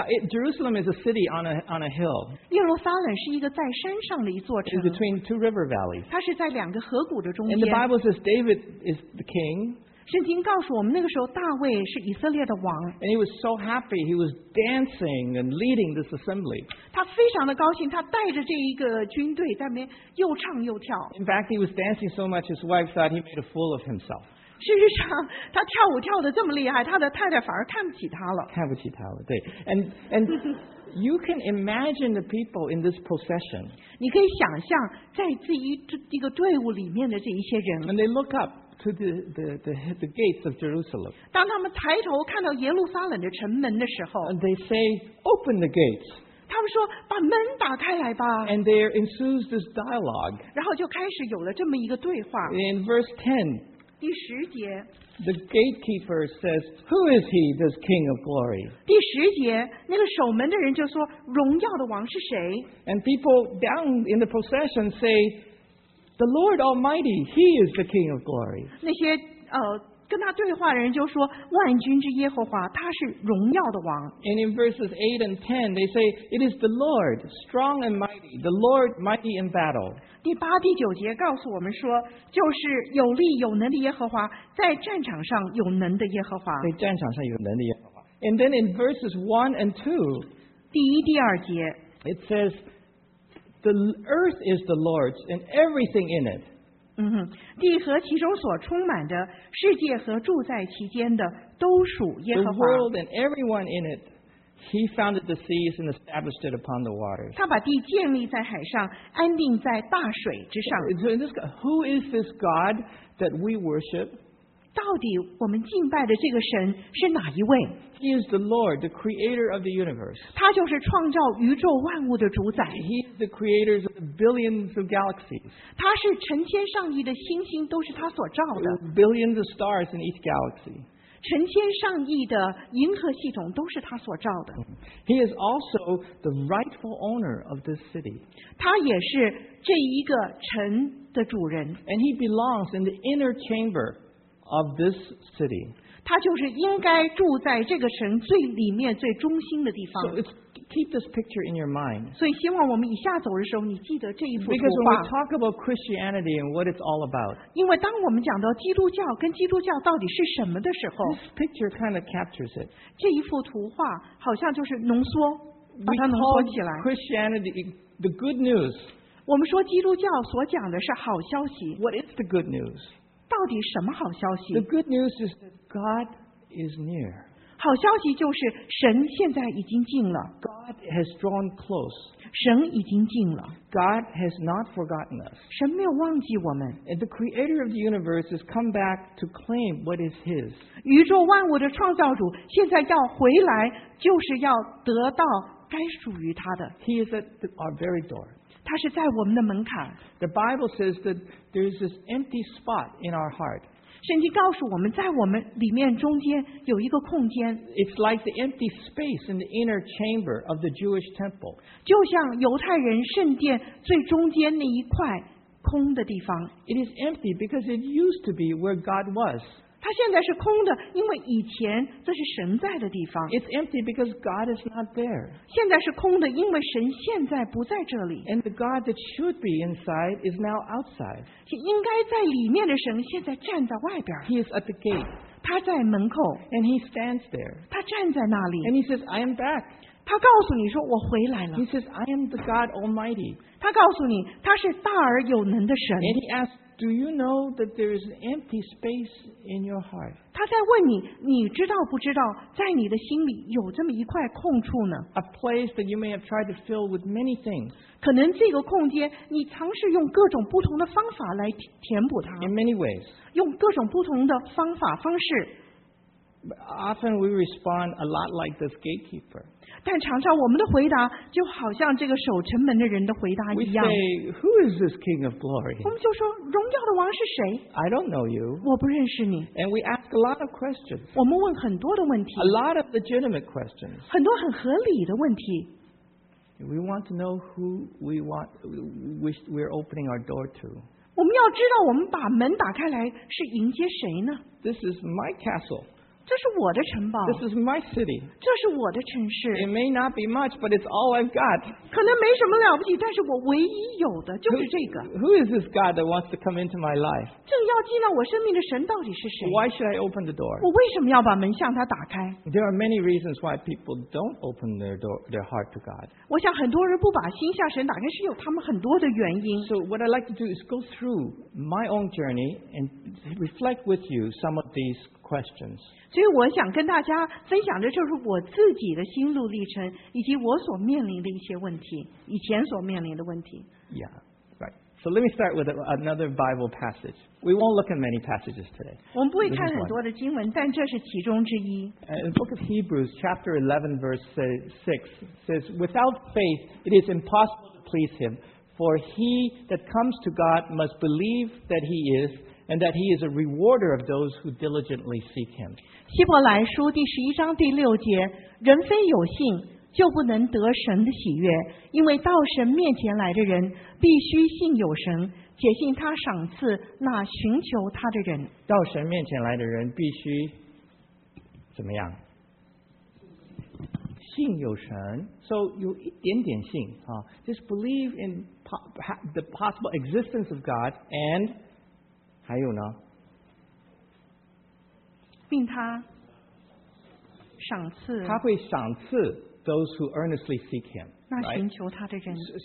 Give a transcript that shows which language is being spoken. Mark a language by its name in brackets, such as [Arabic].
[English] Jerusalem is a city on a hill. [Chinese] 耶路撒冷是一个在山上的一座城。 [English] It's between two river valleys. [Chinese] 它是在两个河谷的中间。 [English] And the Bible says David is the king. [Chinese] 圣经告诉我们，那个时候大卫是以色列的王。 [English] And he was so happy, he was dancing and leading this assembly. [Chinese] 他非常的高兴，他带着这一个军队在那边又唱又跳。 [English] In fact, he was dancing so much his wife thought he made a fool of himself. [Chinese] 事实上，他跳舞跳得这么厉害，他的太太反而看不起他了。看不起他了，对。 [English] And you can imagine the people in this procession. [Chinese] 你可以想象在这一个队伍里面的这一些人。 [English] And they look up. To the gates of Jerusalem. [Chinese] 当他们抬头看到耶路撒冷的城门的时候 [English] ，They say, "Open the gates." [Chinese] 他们说，把门打开来吧。 [English] And there ensues this dialogue. [Chinese] 然后就开始有了这么一个对话。 [English] In verse 10, [Chinese] 第十节 [English] ，The gatekeeper says, "Who is he, this King of Glory?" [Chinese] 第十节，那个守门的人就说，荣耀的王是谁 [English] ？And people down in the procession say. The Lord Almighty, He is the King of Glory. [Chinese] 那些跟他对话的人就说，万军之耶和华，他是荣耀的王。 [English] And in verses 8 and 10, they say, It is the Lord, strong and mighty, the Lord mighty in battle. [Chinese] 第八、第九节告诉我们说，就是有力有能的耶和华，在战场上有能的耶和华。在战场上有能的耶和华。 [English] And then in verses 1 and 2, [Chinese] 第一、第二节 [English] it says,The earth is the Lord's and everything in it. [Chinese] 嗯哼，地和其中所充满的，世界和住在其间的，都属耶和华。 [English] The world and everyone in it, He founded the seas and established it upon the waters. [Chinese] 他把地建立在海上，安定在大水之上。 [English] Who is this God that we worship? [Chinese] 到底我们敬拜的这个神是哪一位？ [English] He is the Lord, the creator of the universe. [Chinese] 他就是创造宇宙万物的主宰。 [English] He is the creator of billions of galaxies. [Chinese] 他是成千上亿的星星都是他所造的。 [English] Billions of stars in each galaxy. [Chinese] 成千上亿的银河系统都是他所造的。 [English] He is also the rightful owner of this city. [Chinese] 他也是这一个城的主人。 [English] And he belongs in the inner chamber of this city. [Chinese] 他就是应该住在这个城最里面最中心的地方。 [English] So keep this picture in your mind. [Chinese] 所以希望我们以下走的时候，你记得这一幅图画。 [English] Because when we talk about Christianity and what it's all about. [Chinese] 因为当我们讲到基督教跟基督教到底是什么的时候 [English] ，This picture kind of captures it. [Chinese] 这一幅图画好像就是浓缩，把它浓缩起来。 [English] Christianity, the good news. [Chinese] 我们说基督教所讲的是好消息。 [English] What is the good news? [Chinese] 到底什么好消息 [English] ？The good news is. God is near. [Chinese] 好消息就是神现在已经近了。 [English] God has drawn close. [Chinese] 神已经近了。 [English] God has not forgotten us. [Chinese] 神没有忘记我们。 [English] And the creator of the universe has come back to claim what is his. [Chinese] 宇宙万物的创造主现在要回来，就是要得到该属于他的。 [English] He is at our very door. [Chinese] 他是在我们的门槛。 [English] The Bible says that there is this empty spot in our heart. [Chinese] 圣经告诉我们，在我们里面中间有一个空间。 [English] It's like the empty space in the inner chamber of the Jewish temple. [Chinese] 就像犹太人圣殿最中间那一块空的地方。 [English] It is empty because it used to be where God was. [Chinese] 它现在是空的，因为以前这是神在的地方。 [English] It's empty because God is not there. [Chinese] 现在是空的，因为神现在不在这里。 [English] And the God that should be inside is now outside. [Chinese] 应该在里面的神现在站在外边。 [English] He is at the gate. [Chinese] 他在门口。 [English] And he stands there. [Chinese] 他站在那里。 [English] And he says, I am back. [Chinese] 他告诉你说我回来了。 [English] He says, I am the God Almighty. [Chinese] 他告诉你他是大而有能的神。 [English] And he asks,Do you know that there is an empty space in your heart? [Chinese] 他在问你，你知道不知道，在你的心里有这么一块空处呢？ [English] A place that you may have tried to fill with many things. [Chinese] 可能这个空间，你尝试用各种不同的方法来填补它。 [English] In many ways. [Chinese] 用各种不同的方法方式。 [English] Often we respond a lot like this gatekeeper. [Chinese] 但常常我们的回答就好像这个守城门的人的回答一样。 [English] We say, "Who is this King of Glory?" [Chinese] 我们就说荣耀的王是谁 [English] ？I don't know you. [Chinese] 我不认识你。 [English] And we ask a lot of questions. [Chinese] 我们问很多的问题。 [English] A lot of legitimate questions. [Chinese] 很多很合理的问题。 [English] We want to know who we want, which we're opening our door to. [Chinese] 我们要知道我们把门打开来是迎接谁呢 [English] ？This is my castle. [Chinese] 这是我的城堡。 [English] This is my city. [Chinese] 这是我的城市。 [English] It may not be much, but it's all I've got. [Chinese] 可能没什么了不起，但是我唯一有的就是这个。 [English] Who is this God that wants to come into my life? [Chinese] 正要进到我生命的神到底是谁 [English] ？Why should I open the door? [Chinese] 我为什么要把门向他打开 [English] ？There are many reasons why people don't open their door, their heart to God. [Chinese] 我想很多人不把心向神打开是有他们很多的原因。 [English] So what I'd like to do is go through my own journey and reflect with you some of these. Questions. [Chinese] 所以我想跟大家分享的就是我自己的心路历程，以及我所面临的一些问题，以前所面临的问题。 [English] Yeah, right. So let me start with another Bible passage. We won't look at many passages today. [Chinese] 我们不会看很多的经文，但这是其中之一。 [English] The book of Hebrews, chapter 11, verse 6, says, "Without faith, it is impossible to please Him. For he that comes to God must believe that He is." And that he is a rewarder of those who diligently seek him. [Chinese] 希伯来书第十一章第六节，人非有信就不能得神的喜悦，因为到神面前来的人必须信有神，且信他赏赐那寻求他的人。到神面前来的人必须怎么样？信有神 ，so 有一点点信啊。 [English] Just believe in the possible existence of God and. [Chinese] 还有呢，并他赏赐，他会赏赐 [English] those who earnestly seek him， [Chinese] 那寻求他的人。 [English] Right?